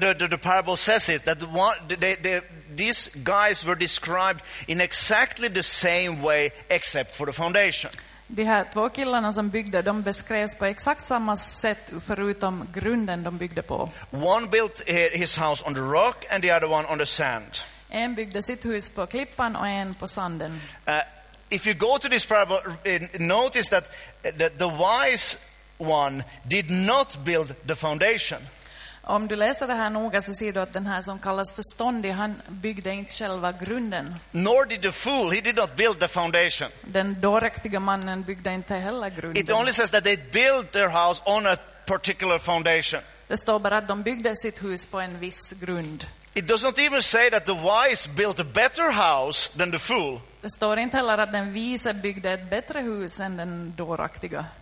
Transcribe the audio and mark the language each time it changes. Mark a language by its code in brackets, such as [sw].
[en] The parable says it that these guys were described in exactly the same way except for the foundation. [sv] De här två killarna som byggde, de beskrevs på exakt samma sätt förutom grunden de byggde på. [en] One built his house on the rock and the other one on the sand. [sv] En byggde sitt hus på klippan och en på sanden. [en] If you go to this parable, notice that the wise one did not build the foundation. [sv] Om du läser det här noga så ser du att den här som kallas förståndig, han byggde inte själva grunden. [en] Nor did the fool, he did not build the foundation. [sv] Den dåraktiga mannen byggde inte heller grunden. [en] It only says that they built their house on a particular foundation. [sv] Det står bara att de byggde sitt hus på en viss grund. [en] It does not even say that the wise built a better house than the fool. [sv] Det står inte heller att den vise byggde ett bättre hus än den dåraktiga.